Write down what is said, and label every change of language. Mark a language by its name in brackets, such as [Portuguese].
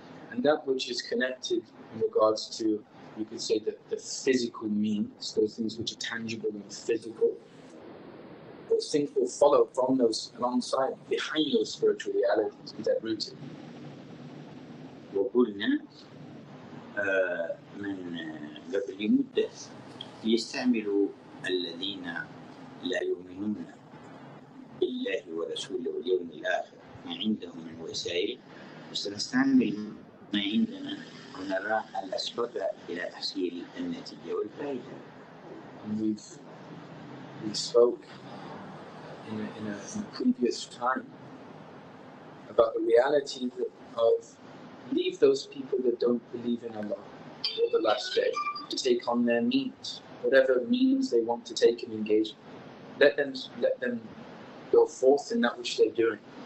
[English] And that which is connected in regards to, you could say, the physical means, those things which are tangible and physical, those things will follow from those alongside, behind those spiritual realities, is that rooted. [Arabic] وقلنا من قبل مدة يستعمل الذين لا يؤمنون بالله ورسوله واليوم الآخر عندهم من وسائل وسنستعمل ما عندنا ونرى الأسباب إلى تحصيل النتيجة والفائدة. [English] We spoke in a previous time about the reality of leave those people that don't believe in Allah or the last day to take on their means, whatever means they want to take and engage, let them go forth in that which they're doing.